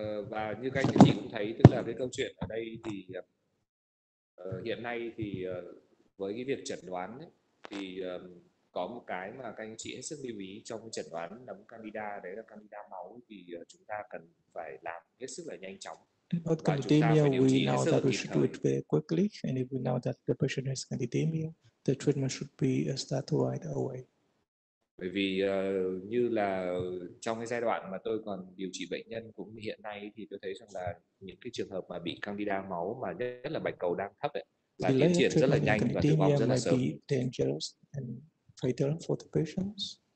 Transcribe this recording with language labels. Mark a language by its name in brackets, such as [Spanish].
[Vietnamese] Và như các anh chị cũng thấy, tức là cái câu chuyện ở đây thì hiện nay thì với cái việc chẩn đoán ấy, thì có một cái mà các anh chị hết sức lưu ý trong cái chẩn đoán nấm Candida, đấy là Candida máu, thì chúng ta cần phải làm hết sức là nhanh chóng. [English] Not candidemia, we know that we should do it very quickly, and if we know that the person has candidemia, the treatment should be started right away. [Vietnamese] Bởi vì như là trong cái giai đoạn mà tôi còn điều trị bệnh nhân cũng hiện nay thì tôi thấy rằng là những cái trường hợp mà bị Candida máu mà nhất là bạch cầu đang thấp ấy, là tiến triển rất là nhanh và tử vong rất là sớm. [English] Dangerous and fatal for the patients.